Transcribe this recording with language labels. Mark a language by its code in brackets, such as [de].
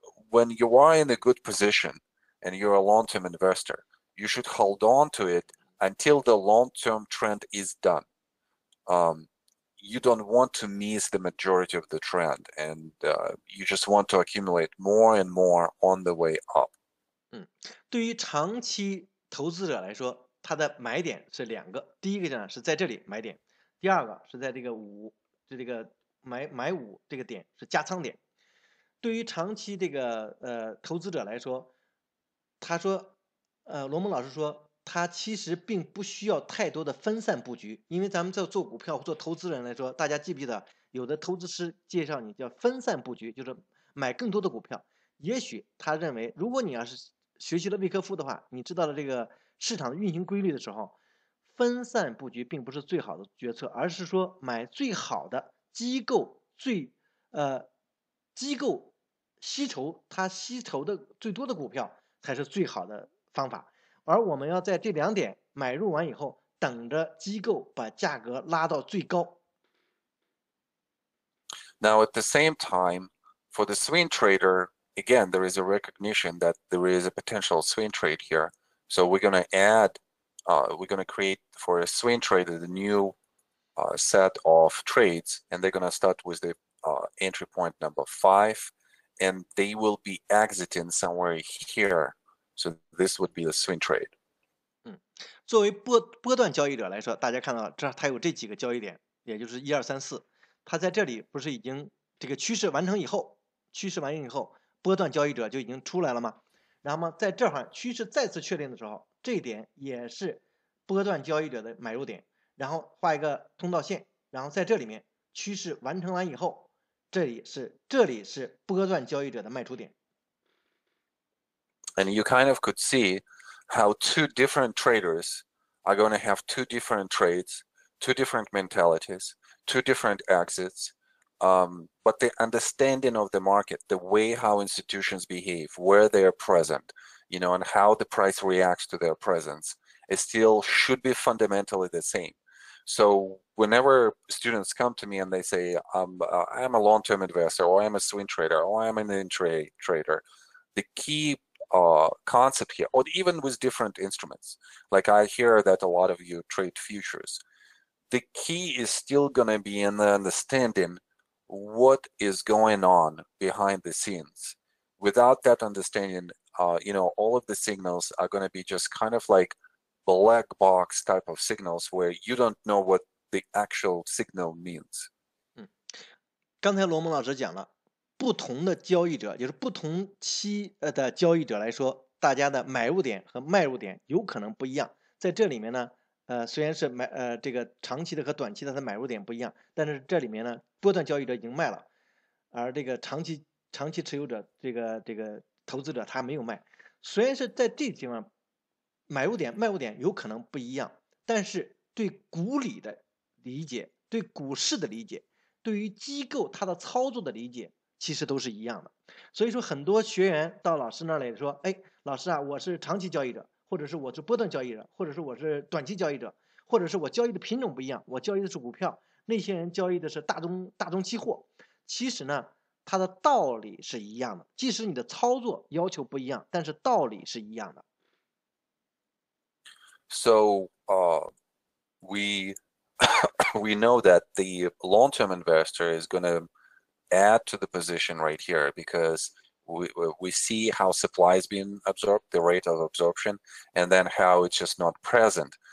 [en] When you are in a good position and you're a long-term investor, you should hold on to it until the long-term trend is done. You don't want to miss the majority of the trend, and you just want to accumulate more and more on the way up. [zh] 对于长期投资者来说，他的买点是两个，第一个呢是在这里买点，第二个是在这个五，就这个买五这个点是加仓点。对于长期这个投资者来说，他说，龙门老师说，它其实并不需要太多的分散布局，因为咱们在做股票或做投资人来说，大家记不记得有的投资师介绍你叫分散布局，就是买更多的股票。也许他认为，如果你要是学习了威科夫的话，你知道了这个市场运行规律的时候，分散布局并不是最好的决策，而是说买最好的机构最机构吸筹它吸筹的最多的股票才是最好的方法。而我们要在这两点买入完以后，等着机构把价格拉到最高。 [en] Now at the same time, for the swing trader, again, there is a recognition that there is a potential swing trade here. So we're going to add, we're going to create for a swing trader the new set of trades, and they're going to start with the entry point number 5, and they will be exiting somewhere here. So this would be the swing trade. [zh] 作为波段交易者来说，大家看到这它有这几个交易点，也就是一二三四。它在这里不是已经这个趋势完成以后，趋势完成以后，波段交易者就已经出来了吗？然后嘛，在这块趋势再次确定的时候，这一点也是波段交易者的买入点。然后画一个通道线，然后在这里面趋势完成完以后，这里是波段交易者的卖出点。 [en] And you kind of could see how two different traders are going to have two different trades, two different mentalities, two different exits. But the understanding of the market, the way how institutions behave, where they are present, you know, and how the price reacts to their presence, it still should be fundamentally the same. So whenever students come to me and they say, I'm a long-term investor, or I'm a swing trader, or I'm an intraday trader, the key concept here, or even with different instruments, like I hear that a lot of you trade futures, the key is still going to be in the understanding what is going on behind the scenes. Without that understanding, you know, all of the signals are going to be just kind of like black box type of signals where you don't know what the actual signal means. [zh] 刚才罗蒙老师讲了，不同的交易者，就是不同期的交易者来说，大家的买入点和卖入点有可能不一样。在这里面呢，虽然是买这个长期的和短期的它的买入点不一样，但是这里面呢，波段交易者已经卖了，而这个长期持有者这个投资者他没有卖。虽然是在这地方买入点卖入点有可能不一样，但是对股理的理解、对股市的理解、对于机构它的操作的理解，其实都是一样的。所以说很多学员到老师那里说，哎，老师啊，我是长期交易者，或者是我是波段交易者，或者是我是短期交易者，或者是我交易的品种不一样，我交易的是股票，那些人交易的是大宗期货。其实呢，它的道理是一样的，即使你的操作要求不一样，但是道理是一样的。 [en] So we know that the long-term investor is going toadd to the position right here, because we see how supply is being absorbed, the rate of absorption, and then how it's just not present.